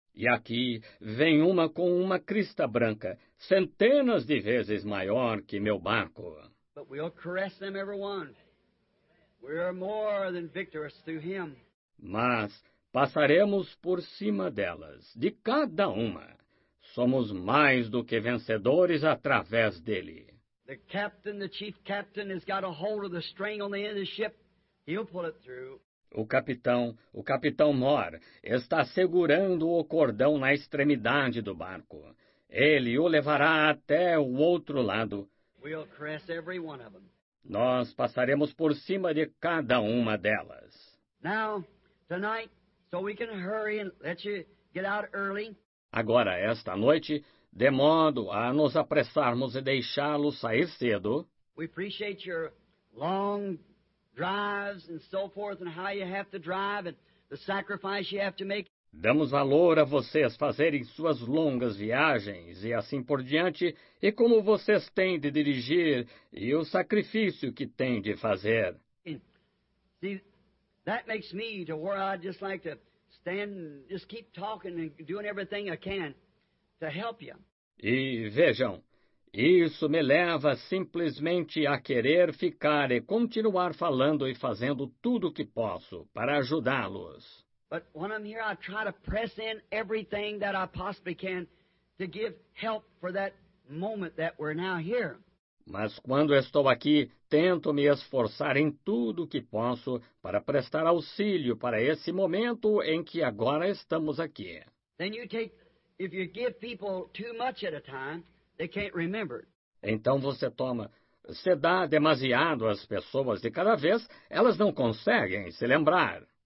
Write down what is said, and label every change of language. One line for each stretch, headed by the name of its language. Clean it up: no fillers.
Portuguese: E aqui vem uma com uma crista branca, centenas de vezes maior que meu barco.
English: But we'll caress them, everyone. We are more than victorious through him.
Portuguese: Mas passaremos por cima delas, de cada uma. Somos mais do que vencedores através dele.
English: The captain, the chief captain, has got a hold of the string on the end of the ship. He'll pull it through.
Portuguese: O capitão Mor, está segurando o cordão na extremidade do barco. Ele o levará até o outro lado.
English: We'll caress every one of them.
Portuguese: Nós passaremos por cima de cada uma delas.
English: Now, tonight, so we can hurry and let you get out early.
Portuguese: Agora, esta noite, de modo a nos apressarmos e deixá-lo sair cedo.
English: We appreciate your long drives and so forth and how you have to drive and the sacrifice you have to make.
Portuguese: Damos valor a vocês fazerem suas longas viagens e assim por diante e como vocês têm de dirigir e o sacrifício que têm de fazer.
English: See, that makes me to where I just like to stand and just keep talking and doing everything I can to help you.
Portuguese: E vejam, isso me leva simplesmente a querer ficar e continuar falando e fazendo tudo o que posso para ajudá-los.
English: But when I'm here, I try to press in everything that I possibly can to give help for that moment that we're now here.
Portuguese: Mas quando estou aqui, tento me esforçar em tudo o que posso para prestar auxílio para esse momento em que agora estamos aqui.
English: Then you take, if you give people too much at a time, they can't remember.
Portuguese: Então você toma, Se dá demasiado às pessoas de cada vez, elas não conseguem se lembrar.